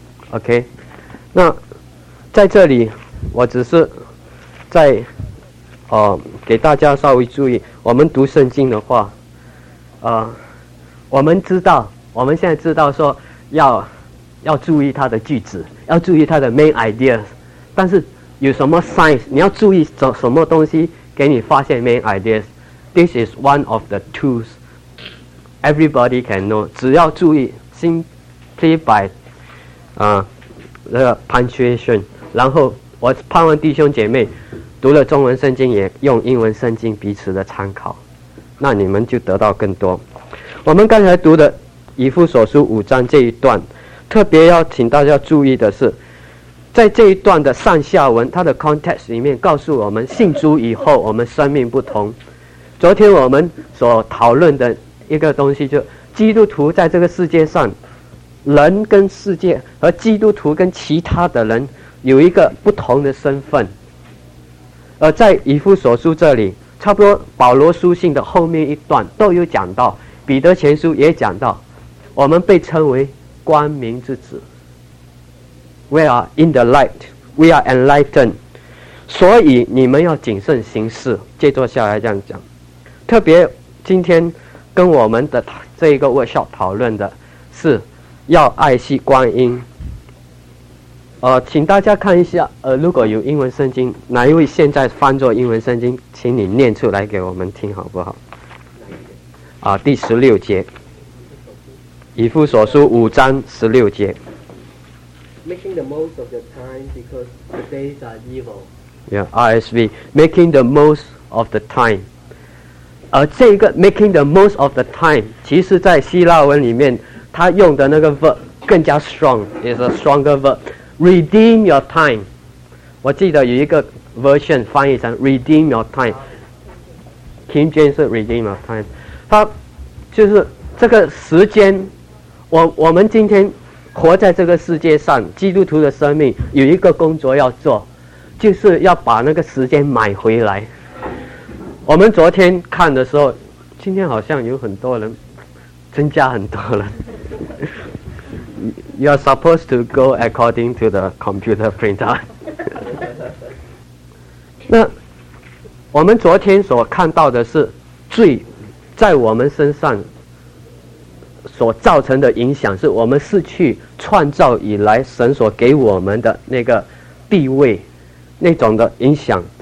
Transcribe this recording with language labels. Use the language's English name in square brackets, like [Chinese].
[Chinese] OK， 那在这里我只是在给大家稍微注意，我们读圣经的话，我们知道，我们现在知道说要注意它的句子，要注意它的 main idea， 但是有什么 signs， 你要注意什么东西给你发现 main ideas。 [English] This is one of the tools everybody can know， [Chinese] 只要注意 [English] simply by punctuation。 [Chinese] 然后我盼望弟兄姐妹读了中文圣经也用英文圣经彼此的参考，那你们就得到更多。我们刚才读的以弗所书五章这一段，特别要请大家注意的是，在这一段的上下文，它的 context 里面告诉我们，信主以后我们生命不同。昨天我们所讨论的一个东西，就基督徒在这个世界上，人跟世界和基督徒跟其他的人有一个不同的身份。而在以弗所书这里，差不多保罗书信的后面一段都有讲到，彼得前书也讲到，我们被称为光明之子。 [English] We are in the light, we are enlightened。 [Chinese] 所以你们要谨慎行事。接着下来这样讲，特别今天跟我们的这一个 workshop 讨论的是要爱惜光阴。请大家看一下，如果有英文圣经，哪一位现在翻作英文圣经，请你念出来给我们听好不好？第十六节，以弗所书五章十六节。 [English] Making the most of the time because the days are evil. Yeah, RSV. Making the most of the time. [Chinese] 这个 [English] making the most of the time， [Chinese] 其实在希腊文里面，他用的那个 [English] verb [Chinese] 更加 [English] strong， is a stronger verb。 Redeem your time， [Chinese] 我记得有一个 [English] version [Chinese] 翻译成 [English] redeem your time， King James 是 redeem your time， [Chinese] 它就是这个时间。我们今天活在这个世界上，基督徒的生命有一个工作要做，就是要把那个时间买回来。我们昨天看的时候，今天好像有很多人增加很多人。 [English] You are supposed to go according to the computer printer. [Chinese] 那我们昨天所看到的是罪在我们身上所造成的影响，是我们失去创造以来神所给我们的那个地位那种的影响。